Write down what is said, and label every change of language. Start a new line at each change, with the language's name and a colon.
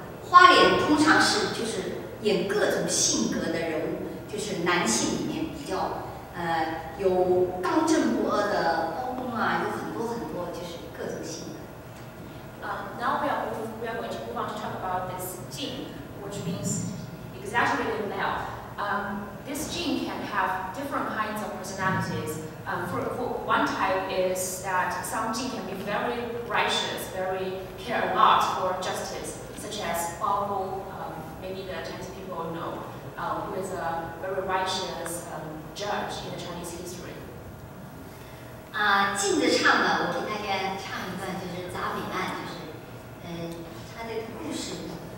Chinese: 花脸通常是就是演各种性格的人物，就是男性里面比较有刚正不阿的包公啊，有很多很多就是各种性格。
English: Now we are going to move on to talk about this jing, which means exaggerated male. This jing can have different kinds of personalities. For one type is that some jing can be very righteous, very care a lot for justice, such as Bao Gong, maybe the Chinese people know, who is a very righteous judge in the Chinese history.
Chinese: Jing 的唱呢，我给大家唱一段，就是杂美案，就是他的故事。